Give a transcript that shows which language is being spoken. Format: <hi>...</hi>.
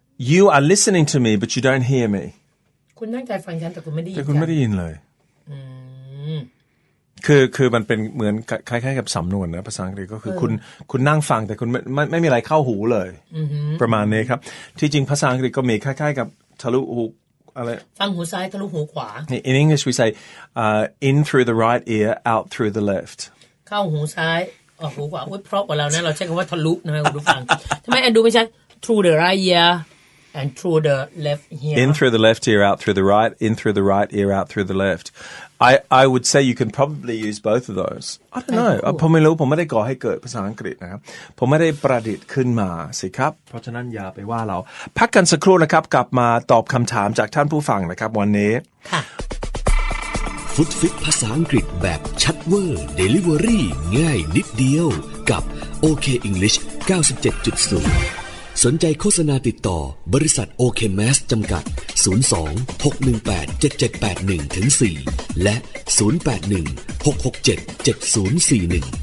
<en>You are listening to me, but you don't hear me.</en> <th>คุณนั่งใจฟังฉันแต่คุณไม่ได้ยิน แต่คุณไม่ได้ยินเลยคือมันเป็นเหมือนคล้ายๆกับสำนวนนะภาษาอังกฤษก็คือคุณนั่งฟังแต่คุณไม่มีอะไรเข้าหูเลยประมาณนี้ครับที่จริงภาษาอังกฤษก็มีคล้ายๆกับทะลุหูอะไร ฟังหูซ้ายทะลุหูขวา</th> <en>In English we say in through the right ear out through the left</en> <th>เข้าหูซ้ายออกหูขวาเพราะกว่าเรานะเราใช้คำว่าทะลุนะครับคุณผู้ฟังทำไมแอนดูไม่ใช่</th> <en>through the right ear and through the left ear in through the left ear out through the right in through the right ear out through the leftI would say you can probably use both of those. I don't know.</en> <th>ผมไม่รู้ผมไม่ได้ก่อให้เกิดภาษาอังกฤษนะครับผมไม่ได้ประดิษฐ์ขึ้นมาสิครับเพราะฉะนั้นอย่าไปว่าเราพักกันสักครู่นะครับกลับมาตอบคำถามจากท่านผู้ฟังนะครับวันนี้ ค่ะ ฟุตฟิตภาษาอังกฤษแบบชัดเวอร์เดลิเวอรี่ง่ายนิดเดียวกับ OK English 97.0สนใจโฆษณาติดต่อบริษัท OK Mass จำกัด02-618-7781-4 และ0816677041</th>